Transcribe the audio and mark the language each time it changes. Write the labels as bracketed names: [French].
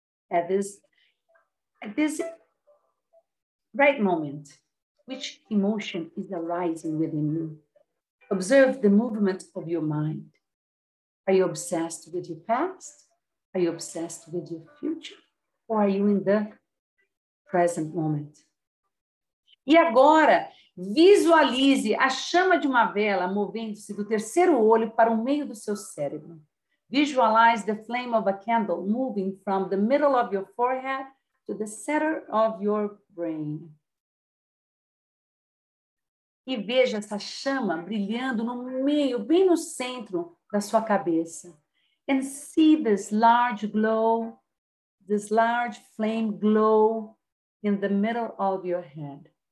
[Portuguese] É desse [English] right moment, which emotion is arising within you? Observe the movement of your mind. Are you obsessed with your past? Are you obsessed with your future? Or are you in the present moment? [Portuguese] E agora, visualize a chama de uma vela movendo-se do terceiro olho para o meio do seu cérebro. [English] Visualize the flame of a candle moving from the middle of your forehead to the center of your brain. [Portuguese] E veja essa chama brilhando no meio, bem no centro da sua cabeça. [English] And see this large glow, this large flame glow in the middle of your head.